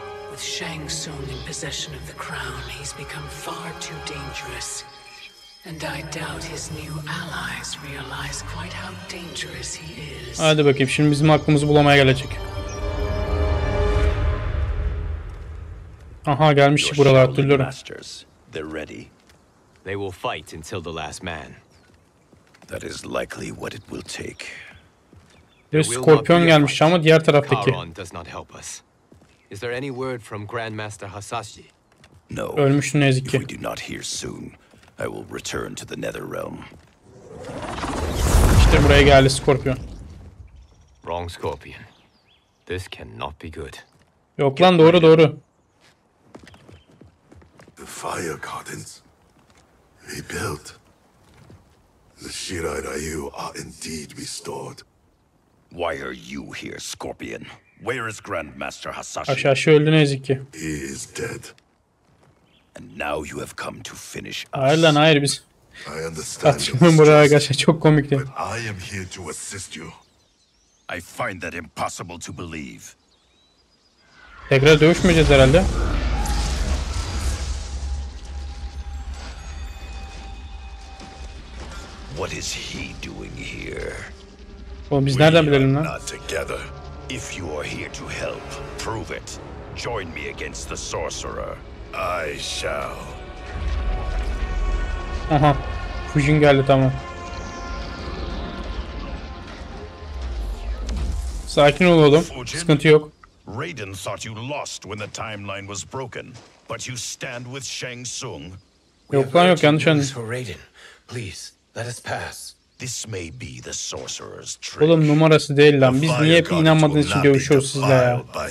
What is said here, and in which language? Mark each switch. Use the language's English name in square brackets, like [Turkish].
[English] With Shang Tsung in possession of the crown, he's become far too dangerous. And I doubt his new allies realize quite how dangerous he is. [Turkish] Hadi bakayım, şimdi bizim aklımızı bulamaya gelecek. Aha, gelmişti buralar türlü. [English] They're ready. They will fight until the last man. That is likely what it will take. [Turkish] Bir skorpiyon gelmiş ama diğer taraftaki. [English] Karon does not help us. Is there any word from Grandmaster Hasashi? No. [Turkish] Ölmüştü ne yazık ki. [English] If we do not hear soon, I will return to the Nether Realm. [Turkish] İşte buraya geldi Scorpion. [English] Wrong Scorpion. This cannot be good. [Turkish] Yok lan, doğru doğru. [English] The Fire Gardens. Rebuilt. The Shirai Ryu are indeed restored. Why are you here, Scorpion? Where is Grandmaster Hasashi? [Turkish] Aşağı şu öldü ne yazık ki. [English] He is dead. And now you have come to finish us. [Turkish] Hayır lan, hayır, biz. [English] I understand. [Turkish] Atıyorum buraya, gerçekten çok komikti. [English] But I am here to assist you. I find that impossible to believe. [Turkish] Tekrar dövüşmeyeceğiz herhalde. [English] What is he doing here? [Turkish] Oğlum biz nereden bilelim lan? [English] We are not together. If you are here to help, prove it. Join me against the sorcerer. I shall. [Turkish] Aha. Fujin geldi, tamam. Sakin ol oğlum. Fujin, sıkıntı yok. [English] Raiden thought you lost when the timeline was broken, but you stand with Shang Tsung. [Turkish] Yok lan, yok, yanlış anladın. [English] For Raiden, please let us pass. This may be the sorcerer's trick. [Turkish] Oğlum numarası değil lan. Biz niye hep inanmadığınız için dövüşüyoruz sizle ya.